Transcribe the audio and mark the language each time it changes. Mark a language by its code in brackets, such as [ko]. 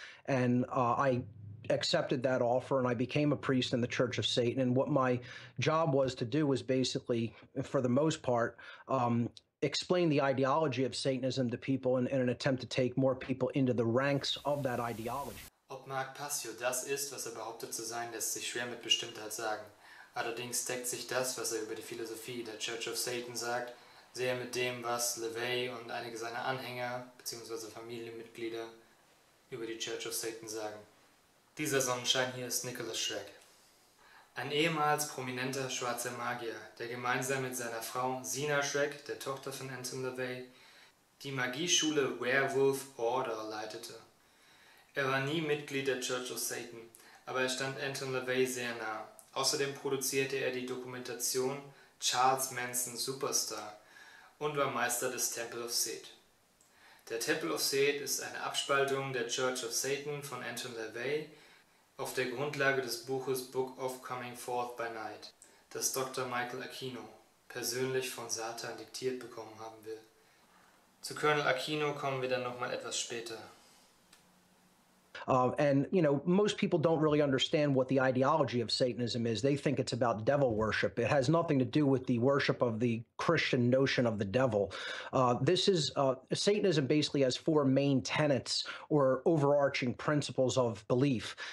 [en] And I accepted that offer, and I became a priest in the Church of Satan. And what my job was to do was basically, for the most part, explain the ideology of Satanism to people in an attempt to take more people into the ranks of that ideology. [de] Ob Mark Passio das ist, was er behauptet zu sein, lässt sich schwer mit Bestimmtheit sagen. Allerdings deckt sich das, was er über die Philosophie der Church of Satan sagt, sehr mit dem, was LaVey und einige seiner Anhänger bzw. Familienmitglieder über die Church of Satan sagen. Dieser Sonnenschein hier ist Nicholas Schreck. Ein ehemals prominenter schwarzer Magier, der gemeinsam mit seiner Frau Sina Schreck, der Tochter von Anton LaVey, die Magieschule Werewolf Order leitete. Er war nie Mitglied der Church of Satan, aber er stand Anton LaVey sehr nah. Außerdem produzierte er die Dokumentation Charles Manson Superstar und war Meister des Temple of Seed. Der Temple of Seed ist eine Abspaltung der Church of Satan von Anton LaVey auf der Grundlage des Buches Book of Coming Forth by Night, das Dr. Michael Aquino persönlich von Satan diktiert bekommen haben will. Zu Colonel Aquino kommen wir dann nochmal etwas später. [en] And, you know, most people don't really understand what the ideology of Satanism is. They think it's about devil worship. It has nothing to do with the worship of the Christian notion of the devil. Satanism basically has four main tenets or overarching principles of belief.